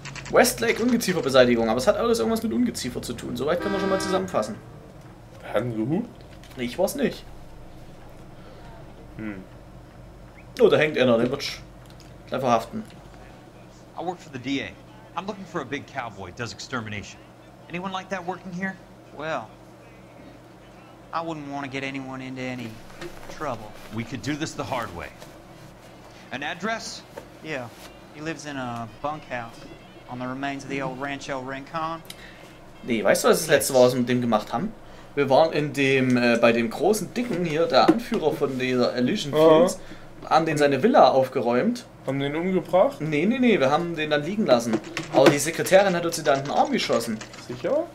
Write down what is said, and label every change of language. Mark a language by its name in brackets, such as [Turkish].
[German] Westlake Ungezieferbeseitigung, aber es hat alles irgendwas mit Ungeziefer zu tun. Soweit können wir schon mal zusammenfassen. Haben Sie Hut? Nee, ich weiß nicht. Oh, da hängt einer, der wird gleich verhaften. [English] I work for the DA. I'm looking for a big cowboy that does extermination. Anyone like that working here? Well, I wouldn't want to get anyone into any trouble. We could do this the hard way. An address? Yeah, he lives in a bunkhouse. On the remains of the old Rancho Rincon. [German] Nee, weißt du, was das letzte war, was wir mit dem gemacht haben? Wir waren in dem, bei dem großen Dicken hier, der Anführer von dieser Elysian Fields, an den seine Villa aufgeräumt. Haben den umgebracht? Nee, wir haben den dann liegen lassen. Aber die Sekretärin hat uns da in den Arm geschossen. Sicher?